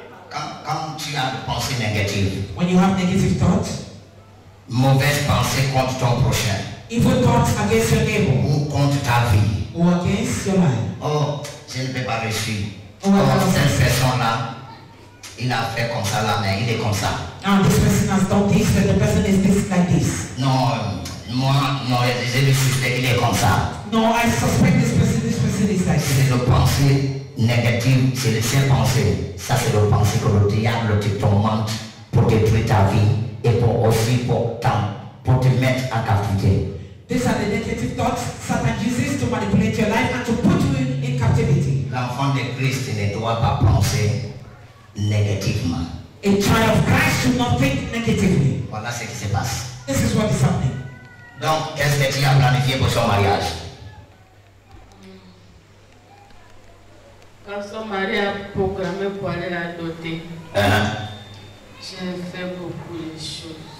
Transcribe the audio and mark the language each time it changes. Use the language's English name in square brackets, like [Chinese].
[French] Quand tu as des pensées négatives. [English] When you have negative thoughts. [French] Mauvaise pensée contre ton prochain. [English] Evil thoughts against your neighbor. [French] Ou contre ta vie. [English] Or against your life. [French] Oh, je ne peux pas réussir. Cette personne-là, il a fait comme ça là, mais il est comme ça. [English] Now this person has done this, but the person is this like this. [French] Non, moi, je le suspecte, il est comme ça. [English] No, I suspect this person is like this. [French] C'est le pensée. Négatif, c'est les seules pensées. Ça, c'est le pensée que le diable te tourmente pour détruire ta vie et pour aussi pour te mettre en captivité. [English] These are the negative thoughts Satan uses to manipulate your life and to put you in captivity. [French] L'enfant de Christ ne doit pas penser négativement. [English] A child of Christ should not think negatively. [French] Voilà ce qui se passe. [English] This is what is happening. [French] Donc, qu'est-ce que tu as planifié pour son mariage? Quand son mari a programmé pour aller la doter, j'ai fait beaucoup de choses.